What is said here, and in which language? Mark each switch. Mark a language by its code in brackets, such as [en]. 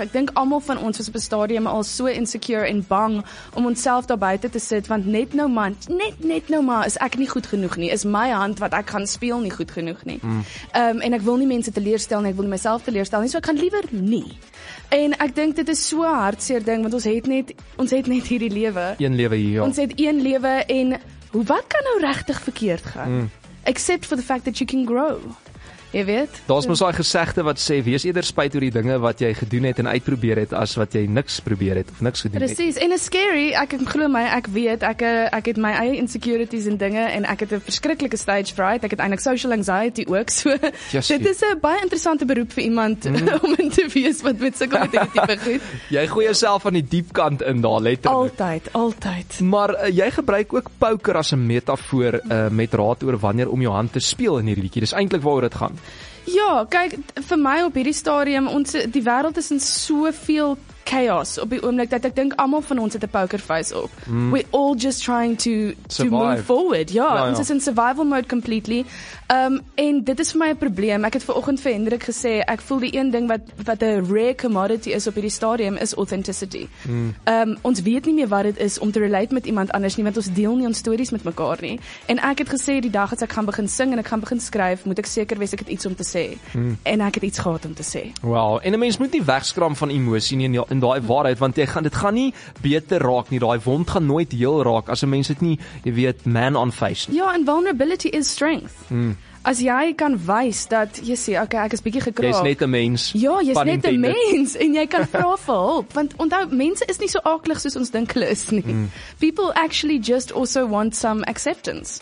[af] Ek dink almal van ons was op 'n stadium al so insecure en bang om onsself daar buite te sit, want net nou man, net nou maar is ek nie goed genoeg nie, is my hand wat ek gaan speel nie goed genoeg nie. Mm. En ek wil nie mense teleerstel nie, ek wil nie myself teleerstel nie, so ek gaan liever nie. En ek dink dit is so 'n hartseer ding, want ons het net hierdie lewe. Een lewe hier, ja. Ons het een lewe en wat kan nou regtig verkeerd gaan? Mm. [en] Except for the fact that you can grow. [af] Jy weet? Daar's mos daai gesegde wat sê wees eerder spyt oor die dinge wat jy gedoen het en uitprobeer het as wat jy niks probeer het of niks gedoen precies. Het. Presies. En [en] it's scary. [af] Ek kan glo my, ek weet ek het my eie insecurities en dinge en ek het 'n verskriklike stage fright. Ek het eintlik social anxiety ook. So yes, dit is 'n baie interessante beroep vir iemand om in te wees wat met sulke dinge begin. Jy gooi jouself aan die diep kant in daar letterlik. Altyd. Maar jy gebruik ook poker as 'n metafoor met raad oor wanneer om jou hand te speel in hierdie liedjie. Dis eintlik waaroor dit gaan. Ja, kyk, vir my op hierdie stadium, die wêreld is in soveel chaos op die oomblik dat ek dink almal van ons het 'n pokerface op. [en] Mm. We're all just trying to survive. To move forward. [af] Ja, ja, ja, ons is in survival mode completely. En dit is vir my 'n probleem. Ek het vanoggend vir Hendrik gesê, ek voel die een ding wat 'n rare commodity is op hierdie stadium is authenticity. Mm. Ons weet nie meer wat dit is om te relate met iemand anders nie, want ons deel nie ons stories met mekaar nie. En ek het gesê die dag as ek gaan begin sing en ek gaan begin skryf, moet ek seker wees ek het iets om te sê. Mm. En ek het iets gehad om te sê. Wow, en 'n mens moet nie wegskram van emosie nie in daai waarheid, want jy gaan dit gaan nie beter raak nie, daai wond gaan nooit heel raak as 'n mens dit nie, jy weet, man on face nie. [en] Ja, and vulnerability is strength. Mm. [af] As jy kan wys dat jy sê, okay, ek is bietjie gekraak. Jy's net 'n mens. Ja, jy's net 'n mens en jy kan vra vir hulp, want onthou, mense is nie so aaklig soos ons dink hulle is nie. Mm. [en] People actually just also want some acceptance.